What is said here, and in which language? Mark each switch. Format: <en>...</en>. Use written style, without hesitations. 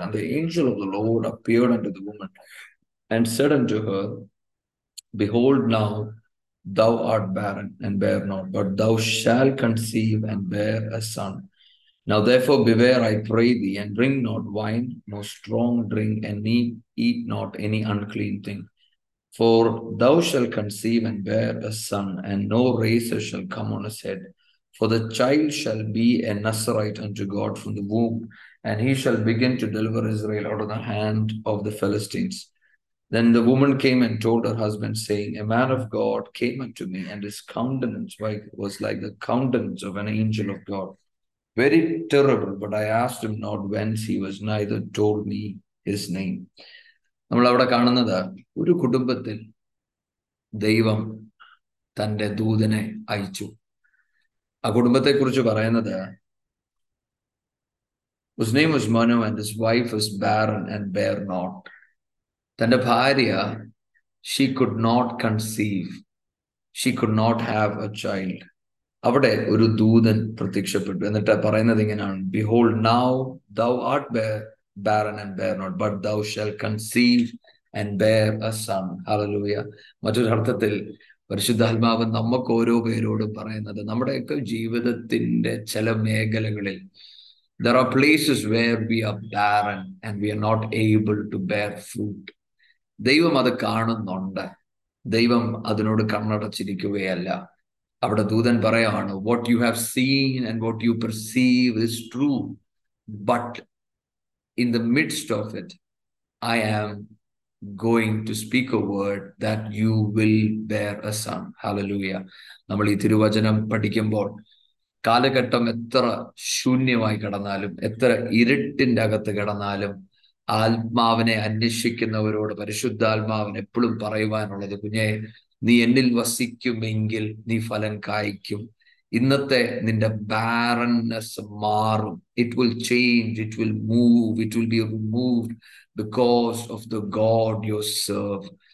<en>And the angel of the Lord appeared unto the woman and said unto her, behold now thou art barren and bear not, but thou shalt conceive and bear a son. Now therefore beware I pray thee and drink not wine nor strong drink and നീ eat not any unclean thing. For thou shalt conceive and bear a son, and no razor shall come on his head. For the child shall be a Nazarite unto God from the womb, and he shall begin to deliver Israel out of the hand of the Philistines. Then the woman came and told her husband, saying, A man of God came unto me, and his countenance was like the countenance of an angel of God. Very terrible, but I asked him not whence he was, neither told me his name.</en> <ml>നമ്മളവിടെ കാണുന്നത് ഒരു കുടുംബത്തിൽ ദൈവം തൻ്റെ ദൂതനെ അയച്ചു. ആ കുടുംബത്തെ കുറിച്ച് പറയുന്നത്,</ml> <en>His name was Manoah and his wife was barren and bear not.</en> <ml>തൻ്റെ ഭാര്യ</ml> <en>She could not conceive, she could not have a child.</en> <ml>അവിടെ ഒരു ദൂതൻ പ്രത്യക്ഷപ്പെട്ടു, എന്നിട്ട് പറയുന്നത് ഇങ്ങനെയാണ്,</ml> <en>Behold now thou art bear barren and bear not, but thou shall conceive and bear a son. Hallelujah.</en> <ml>മറ്റൊരർത്ഥത്തിൽ പരിശുദ്ധാത്മാവ് നമുക്ക് ഓരോ പേരോടും പറയുന്നത്, നമ്മുടെയൊക്കെ ജീവിതത്തിന്റെ ചില മേഖലകളിൽ</ml> <en>there are places where we are barren and we are not able to bear fruit.</en> <ml>ദൈവം അത് കാണുന്നുണ്ട്, ദൈവം അതിനോട് കണ്ണടച്ചിരിക്കുകയല്ല. അവിടെ ദൂതൻ പറയാണ്,</ml> <en>what you have seen and what you perceive is true, but in the midst of it I am going to speak a word that you will bear a son. Hallelujah.</en> <ml>നമ്മൾ ഈ തിരുവചനം പഠിക്കുമ്പോൾ കാലഘട്ടം എത്ര ശൂന്യമായി കിടന്നാലും എത്ര ഇരുട്ടിന്റെ അകത്ത് കിടന്നാലും ആത്മാവിനെ അന്വേഷിക്കുന്നവരോട് പരിശുദ്ധാത്മാവിന് എപ്പോഴും പറയുവാനുള്ളത്, കുഞ്ഞെ നീ എന്നിൽ വസിക്കുമെങ്കിൽ നീ ഫലം കായ്ക്കും, ഇന്നത്തെ നിന്റെ ബാരൻനെസ് മാറും,</ml> <en>It will change, it will move, it will be removed because of the God you serve.</en>